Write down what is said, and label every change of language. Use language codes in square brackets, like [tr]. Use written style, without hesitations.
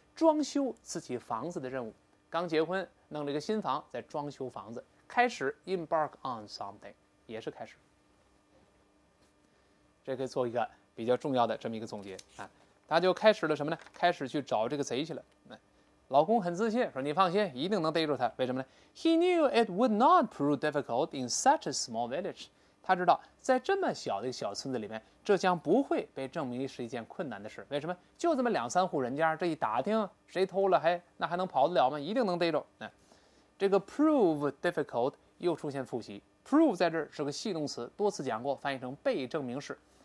[zh] 装修自己房子的任务。刚结婚，弄了个新房，在装修房子，开始 [en] embark on something， [zh] 也是开始。这可以做一个比较重要的这么一个总结啊。他就开始了什么呢？开始去找这个贼去了。老公很自信，说你放心，一定能逮住他。为什么呢？ [en] He knew it would not prove difficult in such a small village. [zh] 他知道在这么小的小村子里面，这将不会被证明是一件困难的事。为什么？就这么两三户人家，这一打听谁偷了，还那还能跑得了吗？一定能逮住。这个 [en] prove difficult [zh] 又出现复习， prove 在这儿是个系动词，多次讲过，翻译成被证明式。